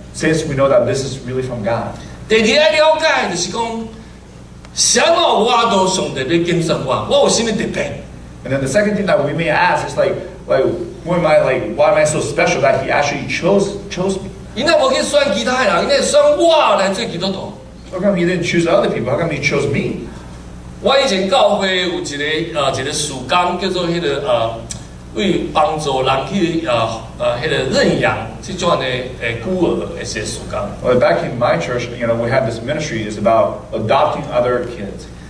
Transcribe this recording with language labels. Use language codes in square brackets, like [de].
[en] Since we know that this is really from God. And then the second thing that we may ask is like who am I, like, why am I so special that he actually chose me? How come he didn't choose other people? How come he chose me? [nan] 我以前教会有一个事工叫做为帮助人去认养这种的孤儿一些事工。 [en] Well, back in my church, you know, we have this ministry is about adopting other kids.